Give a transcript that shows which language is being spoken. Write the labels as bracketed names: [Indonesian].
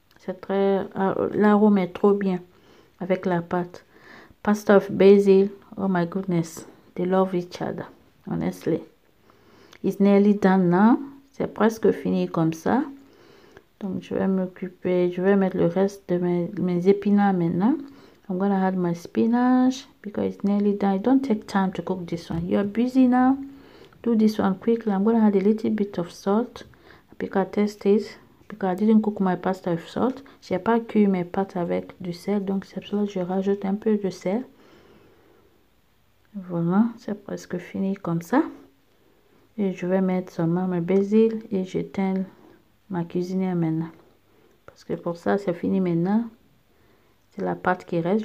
[French] C'est très, l'arôme est trop bien avec la pâte. [English] Pasta of basil, oh my goodness. They love each other, honestly. It's nearly done now. [French] C'est presque fini comme ça. Donc, je vais m'occuper. Je vais mettre le reste de mes épinards maintenant. [English] I'm gonna add my spinach because it's nearly done. Don't take time to cook this one. You're busy now. Do this one quickly. I'm gonna add a little bit of salt because I test it. Because I didn't cook my pasta with salt. [French] J'ai pas cuit mes pâtes avec du sel. Donc, c'est pour ça que je rajoute un peu de sel. Voilà, c'est presque fini comme ça. Et je vais mettre seulement mes basil et j'éteins ma cuisinière maintenant. Parce que pour ça, c'est fini maintenant. C'est la pâte qui reste.